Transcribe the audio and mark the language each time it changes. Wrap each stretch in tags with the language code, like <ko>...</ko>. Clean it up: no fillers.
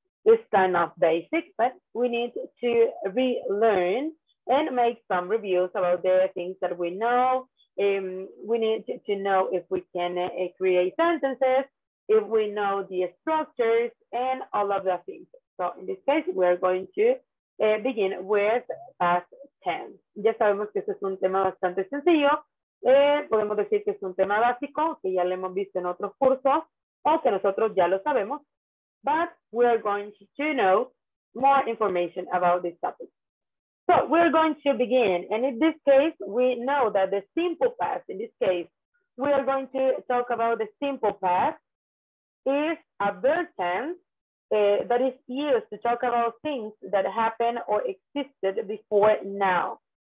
<en>It's kind of basic, but we need to relearn and make some reviews about the things that we know. We need to know if we can create sentences, if we know the structures and all of the things. So in this case, we're going to begin with past tense.</en> <es>Ya sabemos que este es un tema bastante sencillo. Podemos decir que es un tema básico, que ya lo hemos visto en otros cursos, o que nosotros ya lo sabemos.</es> <en>But we are going to know more information about this topic. So we're going to begin. And in this case, we know that the simple past, in this case, we are going to talk about the simple past, is a verb tense that is used to talk about things that happened or existed before now.</en>